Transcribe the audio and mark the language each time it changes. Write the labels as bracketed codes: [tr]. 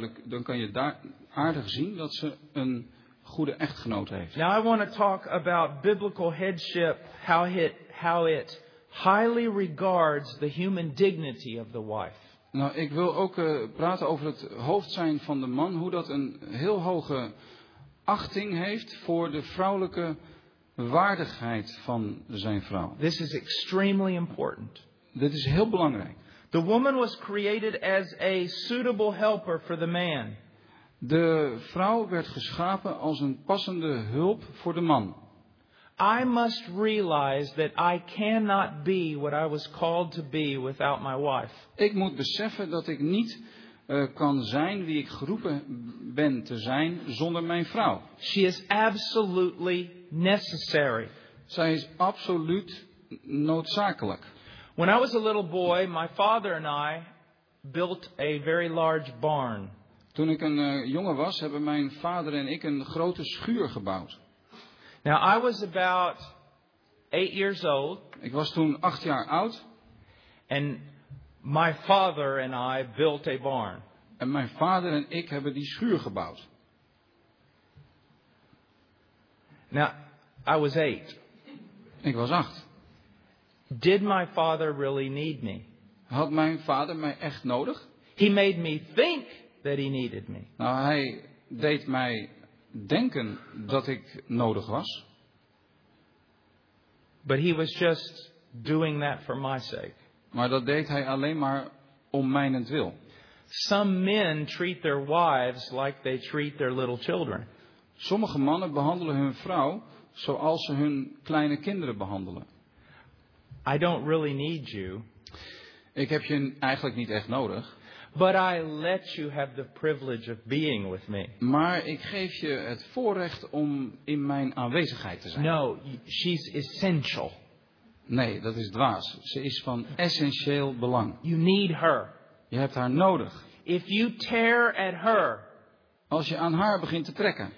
[nl] Dan kan je heel duidelijk zien dat ze een goede echtgenoot heeft. [en] Now I want to talk about biblical headship, how it highly regards the human dignity of the wife. [nl] Nou, ik wil ook praten over het hoofd zijn van de man, hoe dat een heel hoge achting heeft voor de vrouwelijke waardigheid van zijn vrouw. [en] This is extremely important. [nl] Dit is heel belangrijk. [en] The woman was created as a suitable helper for the man. [nl] De vrouw werd geschapen als een passende hulp voor de man. [en] I must realize that I cannot be what I was called to be without my wife. [nl] Ik moet beseffen dat ik niet kan zijn wie ik geroepen ben te zijn zonder mijn vrouw. [en] She is absolutely necessary. [nl] Zij is absoluut noodzakelijk. [en] When I was a little boy, my father and I built a very large barn. [nl] Toen ik een jongen was, hebben mijn vader en ik een grote schuur gebouwd. [en] Now I was about 8 years old. [nl] Ik was toen 8 jaar oud. [en] And my father and I built a barn. [nl] En mijn vader en ik hebben die schuur gebouwd. [en] Now I was 8. [nl] Ik was 8. [en] Did my father really need me? [nl] Had mijn vader mij echt nodig? [en] He made me think that he needed me. [nl] Nou, hij deed mij denken dat ik nodig was. [en] But he was just doing that for my sake. [nl] Maar dat deed hij alleen maar om mijnentwil. [en] Some men treat their wives like they treat their little children. [nl] Sommige mannen behandelen hun vrouw zoals ze hun kleine kinderen behandelen. [en] I don't really need you. [nl] Ik heb je eigenlijk niet echt nodig. [en] But I let you have the privilege of being with me. [nl] Maar ik geef je het voorrecht om in mijn aanwezigheid te zijn. [en] No, she's essential. [nl] Nee, dat is dwaas. Ze is van essentieel belang. [en] You need her. [nl] Je hebt haar nodig. [en] If you tear at her. [nl] Als je aan haar begint te trekken.